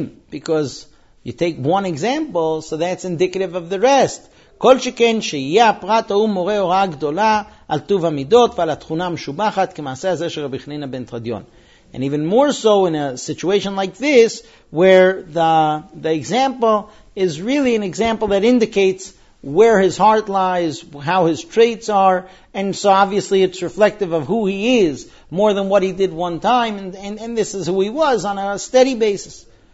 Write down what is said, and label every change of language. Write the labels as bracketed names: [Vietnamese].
[English] Because you take one example, so that's indicative of the rest. [Hebrew] כל שכן שיהיה הפרט ההוא מורה הוראה גדולה על טוב המידות ועל התכונה המשובחת כמעשה הזה של רבי חנינא בן תרדיון. [English] And even more so in a situation like this, where the example is really an example that indicates where his heart lies, how his traits are, and so obviously it's reflective of who he is, more than what he did one time, and this is who he was on a steady basis.